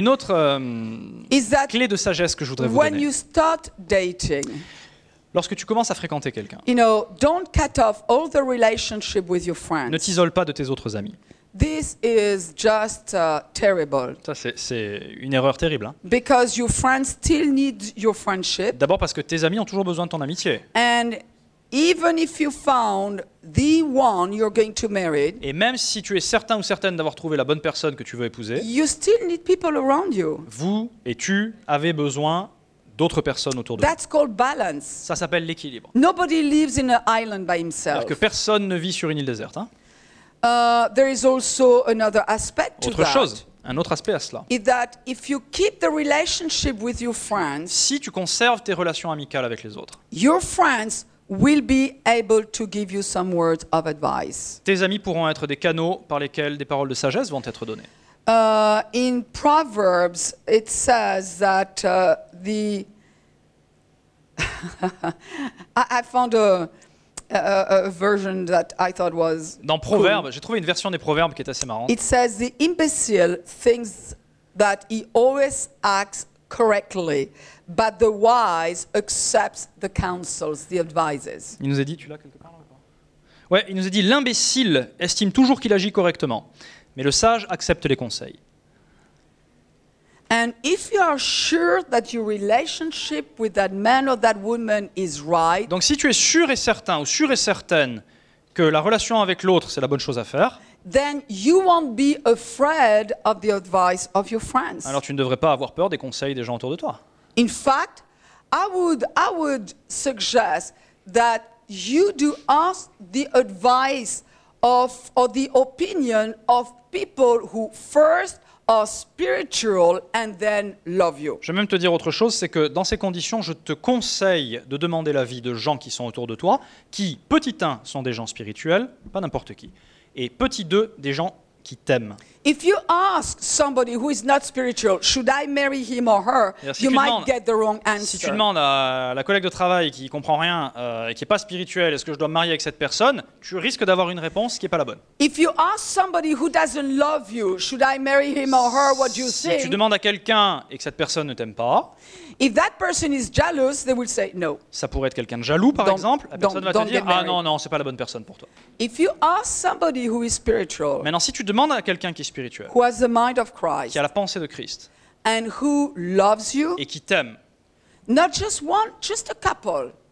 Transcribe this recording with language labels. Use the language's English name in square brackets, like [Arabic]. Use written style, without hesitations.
[French] Une autre clé de sagesse que je voudrais vous donner. [English] When you start dating, [French] lorsque tu commences à fréquenter quelqu'un, [English] you know, don't cut off all the relationship with your friends. [French] Ne t'isole pas de tes autres amis. [English] This is just terrible. [French] Ça, c'est une erreur terrible. Hein. [English] Because your friends still need your friendship. [French] D'abord parce que tes amis ont toujours besoin de ton amitié. [English] And even if you found the one you're going to marry, [French] et même si tu es certain ou certaine d'avoir trouvé la bonne personne que tu veux épouser, [English] you still need people around you. [French] Vous et tu avez besoin d'autres personnes autour de [English] that's [French] vous. [English] Called balance. [French] Ça s'appelle l'équilibre. [English] Nobody lives in an island by himself. [French] C'est-à-dire que personne ne vit sur une île déserte. Hein. [English] There is also another aspect to [French] autre [English] that. [French] Chose. Un autre aspect à cela. [English] Is that if you keep the relationship with your friends, [French] si tu conserves tes relations amicales avec les autres, [English] your friends will be able to give you some words of advice. [French] Tes amis pourront être des canaux par lesquels des paroles de sagesse vont être données. [English] In Proverbs, it says that the I found a version that I thought was [French] dans Proverbes, cool. J'ai trouvé une version des Proverbes qui est assez marrante. [English] It says the imbecile thinks that he always acts correctly. But the wise accepts the counsels, the advices. [French] Il nous a dit, tu l'as quelque part là ou pas ? Ouais, il nous a dit, l'imbécile estime toujours qu'il agit correctement, mais le sage accepte les conseils. [English] And if you are sure that your relationship with that man or that woman is right. [French] Donc si tu es sûr et certain ou sûre et certaine que la relation avec l'autre c'est la bonne chose à faire. [English] Then you won't be afraid of the advice of your friends. [French] Alors tu ne devrais pas avoir peur des conseils des gens autour de toi. [English] In fact, I would suggest that you do ask the advice of or the opinion of people who first are spiritual and then love you. [French] Je vais même te dire autre chose, c'est que dans ces conditions, je te conseille de demander l'avis de gens qui sont autour de toi, qui petit 1 sont des gens spirituels, pas n'importe qui, et petit 2 des gens qui t'aiment. [English] If you ask somebody who is not spiritual, should I marry him or her, you might get the wrong answer. [French] Si tu demandes à la collègue de travail qui comprend rien et qui est pas spirituelle, est-ce que je dois me marier avec cette personne, tu risques d'avoir une réponse qui est pas la bonne. [English] If you ask somebody who doesn't love you, should I marry him or her, what do you think? [French] Si tu demandes à quelqu'un et que cette personne ne t'aime pas, [English] if that person is jealous, they will say no. [French] Ça pourrait être quelqu'un de jaloux, par exemple. La personne va te dire ah non, c'est pas la bonne personne pour toi. [English] If you ask somebody who is spiritual, [French] maintenant si tu demandes à quelqu'un qui est spirituel, [English] who has the mind of Christ, [French] qui a la pensée de Christ, [English] and who loves you, [French] et qui t'aime, [English] not just one, just a couple,